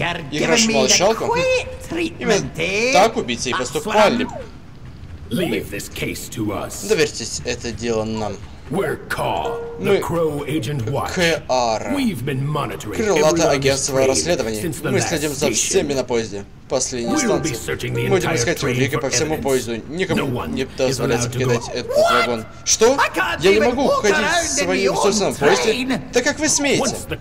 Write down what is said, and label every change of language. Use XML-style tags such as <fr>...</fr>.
<ru>Играешь в молчалку? Именно так убийцы и поступали. Доверьтесь, это дело нам.</ru> <en>We're Caw, the Crow Agent Watch. K.R. We've been monitoring</en> <ru>крылатое агентство расследований. Мы следим за всеми на поезде. Последней станции. Мы будем искать улики по всему поезду. Никому не позволяется покидать этот вагон. Что? Я не могу уходить в своем собственном поезде? Да как вы смеете?</ru>